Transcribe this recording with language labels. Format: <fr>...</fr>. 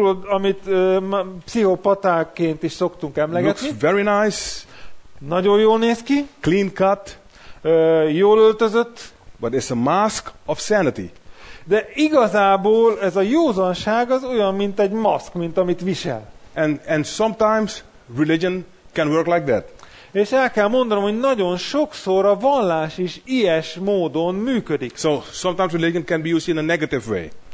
<hu>Amit pszichopatáként is szoktunk emlegetni.</hu> <en>Looks very nice.</en> <hu>Nagyon jól néz ki.</hu> <en>Clean cut.</en> <hu>Jól öltözött.</hu> <en>But it's a mask of sanity.</en> <hu>De igazából ez a józanság az olyan, mint egy maszk, mint amit visel.</hu> <en>And sometimes religion can work like that.</en> <hu>És el kell mondanom, hogy nagyon sokszor a vallás is ilyes módon működik.</hu> <en>So sometimes religion can be used in a negative way.</en>